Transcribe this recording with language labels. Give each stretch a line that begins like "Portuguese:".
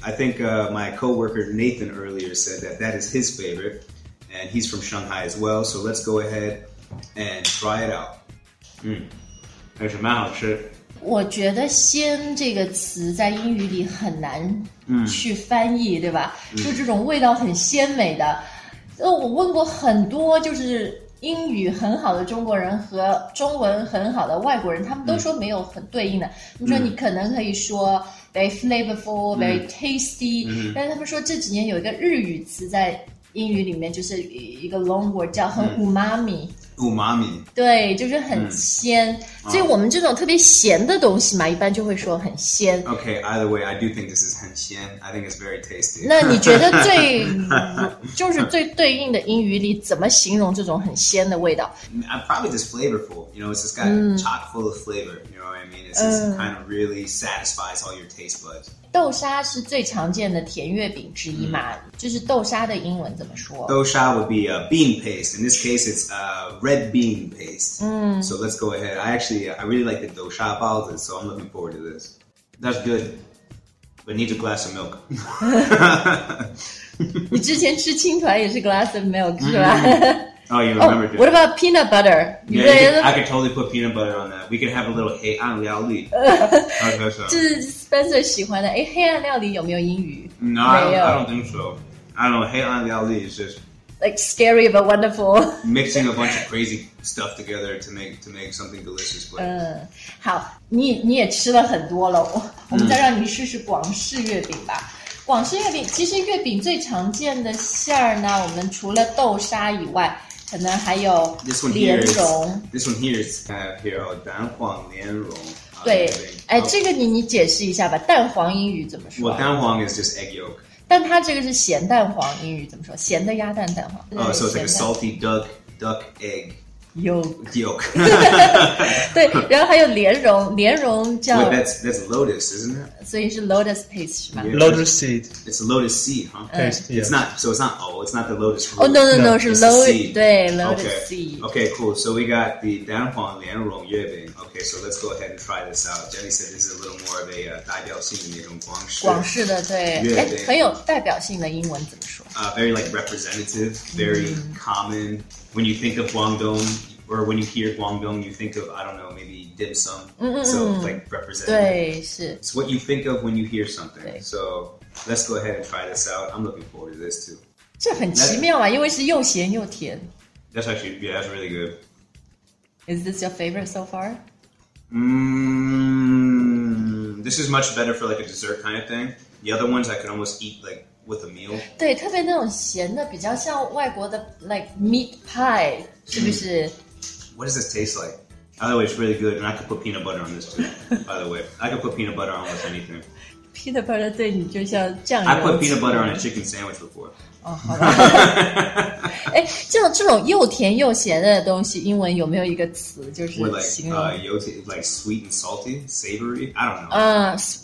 English: I think、my co-worker Nathan earlier said that that is his favorite. And he's from Shanghai as well. So let's go ahead and try it out.
Chinese: 还是蛮好吃。我觉得鲜这个词在英语里很难去翻译、对吧、就这种味道很鲜美的。我问过很多就是英语很好的中国人和中文很好的外国人他们都说没有很对应的。你说你可能可以说
English: Very flavorful, very tasty.、
Chinese: 但是他们说这几年有一个日语词在英语里面，就是一个
English: long word
Chinese: 叫很umami。
English: umami
Chinese: 对就是很鲜、嗯、所以我们这种特别咸的东西嘛、oh. 一般就会说很鲜
English: OK either way I do think this is
Chinese: 很鲜
English: I think it's very tasty
Chinese: 那你觉得最就是最对应的英语里怎么形容这种很鲜的味道
English: I'm probably just flavorful you know it's just got、嗯、chock full of flavor you know what I mean it's just kind of really satisfies all your taste buds
Chinese: 豆沙是最常见的甜月饼之一嘛、嗯、就是豆沙的英文怎么说
English: 豆沙 would be a bean paste In this case it's a red bean paste、嗯、 So let's go ahead I really like the 豆沙包子 So I'm looking forward to this That's good But need a glass of milk
Chinese: 你之前吃青团也是
English: glass of milk
Chinese: 是吧、
English: mm-hmm. Oh you remember、 oh, What about peanut butter yeah, really... could, I could totally put peanut butter on that We could have a little 黑暗料理
Chinese: Spencer 喜欢的黑暗料理有没有英语
English: No I don't think so I don't know 黑暗料理 is just Like scary but wonderful Mixing a bunch of crazy stuff together To make something delicious but...
Chinese: 好 你也吃了很多了我们再让你试试广式月饼吧、嗯、广式月饼其实月饼最常见的馅儿呢我们除了豆沙以外可能还有莲蓉
English: This one here is kind of here 蛋黄莲蓉
Chinese: 对，哎，这个你解释一下吧。蛋黄英语怎么说？我蛋黄
English: is just egg yolk。
Chinese: 但它这个是咸蛋黄英语怎么说？咸的鸭蛋蛋黄。
English: Oh, so it's like a salty duck egg yolk 。
Chinese: 对，然后还有莲蓉，莲蓉叫
English: Wait, that's lotus, isn't it?
Chinese: 所以是
English: lotus paste
Chinese: 是吧
English: ？Lotus seed. It's a lotus seed, huh? Paste, it's、 not. So it's not. Oh, it's not the lotus. Oh no no no, it's lotus. 对 ，lotus seed. Okay, cool. So we got the 蛋黄莲蓉月饼。 Okay, so let's go ahead and try this out. Jenny said this is a little more of a
Chinese: 代表性的那种广式。广式的对，哎，很有代表性的英文怎么说
English: ？Very like representative, very、mm-hmm. common. When you think of Guangdong, or when you hear Guangdong, you think of I don't know, maybe dim sum. Mm-hmm. So like representative.
Chinese: 对，是。
English: It's what you think of when you hear something. So let's go ahead and try this out. I'm looking forward to this too.
Chinese: 这很奇妙啊，因为是又咸又甜。
English: That's actually yeah, that's really good. Is this your favorite so far? This is much better for like a dessert kind of thing. The other ones I could almost eat like with a meal.
Chinese: 对，特别那种咸的，比较像外国的
English: like meat pie，
Chinese: 是不是？
English: What does this taste like? By the way, it's really good, and I could put peanut butter on this too. By the way, I could put peanut butter on almost anything.
Chinese: Peanut butter 对你就像酱油。
English: I put peanut butter on a chicken sandwich before.
Chinese: 哦，好的。哎，像这种又甜又咸的东西，英文有没有一个词就是形容？
English: Like, like sweet and salty, savory. I don't know.